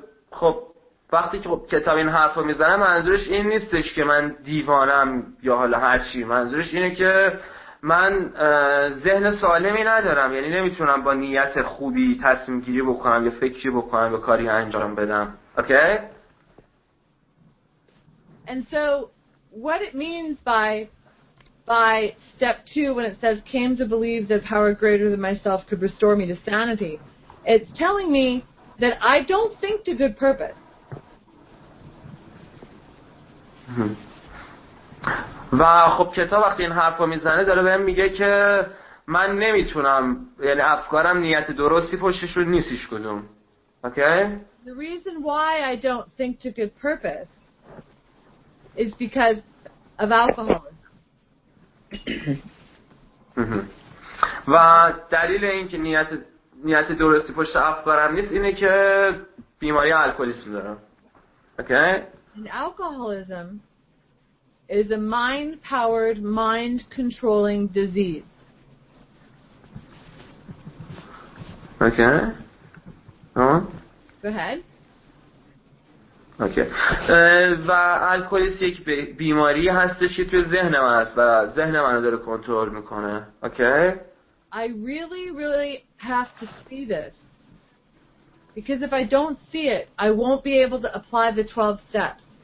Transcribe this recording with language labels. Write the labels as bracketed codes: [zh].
[fa] خب وقتی که کتاب این حرفو میزنه منظورش این نیستش که من دیوانم یا حالا هر چی، منظورش اینه که من ذهن سالمی ندارم، یعنی نمیتونم با نیت خوبی تصمیم گیری بکنم یا فکری بکنم یا کاری انجام بدم. [en] Okay? And so what it means by step two, when it says came to believe that power greater than myself could restore me to sanity, it's telling me that I don't think to good purpose. [fa] و خب کتاب وقتی این حرفو میزنه داره بهم میگه که من نمیتونم، یعنی افکارم نیت درستی پشتشو نیستش کدوم. [en] Okay? The reason why I don't think to good purpose is because of alcoholism. [fa] و دلیل این که نیت درستی پشت افکارم نیست اینه که بیماری الکلیسم دارم. [en] Okay? And alcoholism is a mind-powered, mind-controlling disease. Okay. Go ahead. [fa] اوکی. و الکلیسم یک بیماری هستش که توی ذهن من هست و ذهن من رو داره کنترل میکنه. اوکی. [en] I really really have to see this. Because if I don't see it, I won't be able to apply the 12 steps.